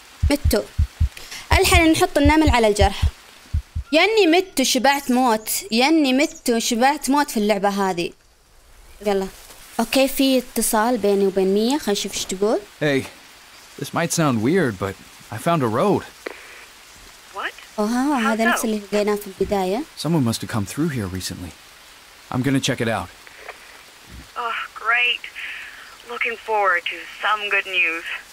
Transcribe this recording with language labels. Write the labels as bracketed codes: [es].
[ar] متو. الحل نحط النمل على الجرح. يعني مت وشبعت موت، يعني مت وشبعت موت في اللعبة هذه. يلا اوكي، في اتصال بيني وبين مية، خلينا نشوف ايش تقول. [en] Hey, this might sound weird, but I found a road. What? [ar] هذا نفس اللي لقيناه في البداية. [en] Someone must have come through here recently. I'm gonna check it out. Oh, great. Looking forward to some good news.